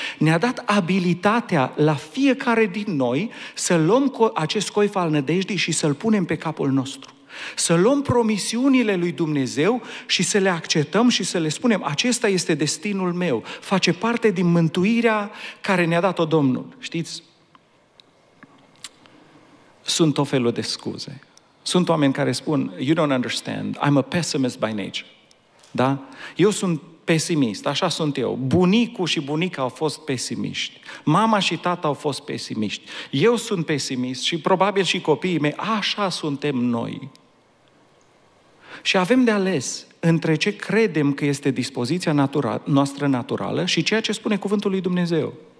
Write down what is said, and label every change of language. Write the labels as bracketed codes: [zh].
[ro] Ne-a dat abilitatea la fiecare din noi să luăm acest coif al nădejdii și să-l punem pe capul nostru. Să luăm promisiunile lui Dumnezeu și să le acceptăm și să le spunem, acesta este destinul meu, face parte din mântuirea care ne-a dat-o Domnul. Știți, sunt tot felul de scuze. Sunt oameni care spun, [en] you don't understand, I'm a pessimist by nature. [ro] Da? Eu sunt pesimist, așa sunt eu. Bunicul și bunica au fost pesimiști. Mama și tata au fost pesimiști. Eu sunt pesimist și probabil și copiii mei, așa suntem noi. Și avem de ales între ce credem că este dispoziția noastră naturală și ceea ce spune cuvântul lui Dumnezeu.